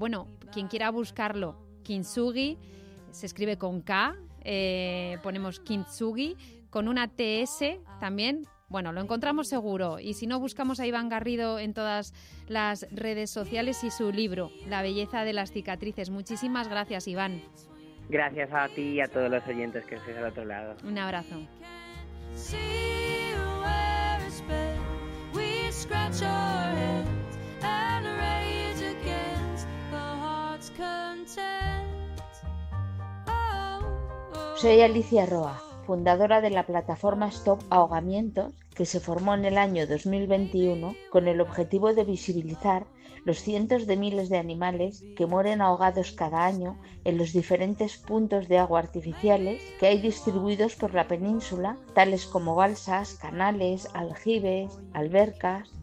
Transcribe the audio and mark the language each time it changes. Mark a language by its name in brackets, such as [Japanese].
[Spanish] Bueno, quien quiera buscarlo, Kintsugi, se escribe con K, ponemos Kintsugi, con una TS también. Bueno, lo encontramos seguro. Y si no, buscamos a Iván Garrido en todas las redes sociales y su libro, La belleza de las cicatrices. Muchísimas gracias, Iván. Gracias a ti y a todos los oyentes que estéis al otro lado. Un abrazo. [English] Scratch our heads and rage against the heart's content. [Spanish] Soy Alicia Roa, fundadora de la plataforma Stop Ahogamientos, que se formó en el año 2021 con el objetivo de visibilizar los cientos de miles de animales que mueren ahogados cada año en los diferentes puntos de agua artificiales que hay distribuidos por la península, tales como balsas, canales, aljibes, albercas.